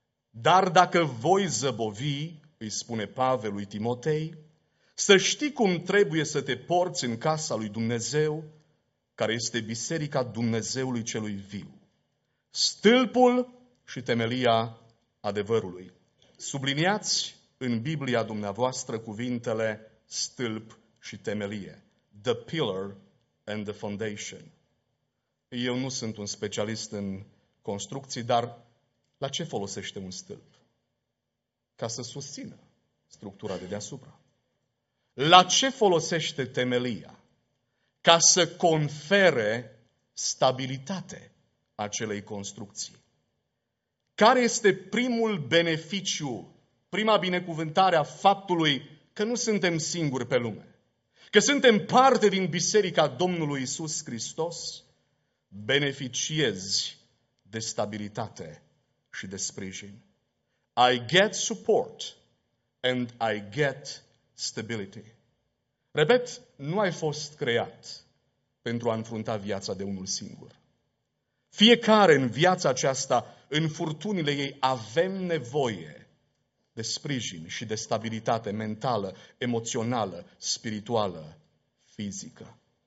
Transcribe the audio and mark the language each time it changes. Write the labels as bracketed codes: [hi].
[ro] Dar dacă voi zăbovi, îi spune Pavel lui Timotei, să știi cum trebuie să te porți în casa lui Dumnezeu, care este biserica Dumnezeului celui viu, stâlpul și temelia adevărului. Subliniați în Biblia dumneavoastră cuvintele stâlp și temelie. [en] The pillar and the foundation. [ro] Eu nu sunt un specialist în construcții, dar la ce folosește un stâlp? Ca să susțină structura de deasupra. La ce folosește temelia? Ca să confere stabilitate acelei construcții. Care este primul beneficiu, prima binecuvântare a faptului că nu suntem singuri pe lume? Că suntem parte din Biserica Domnului Iisus Hristos? Beneficiezi de stabilitate și de sprijin. [en] I get support and I get stability. [ro] Repet, nu ai fost creat pentru a înfrunta viața de unul singur. Fiecare în viața aceasta, în furtunile ei, avem nevoie de sprijin și de stabilitate mentală, emoțională, spirituală, fizică.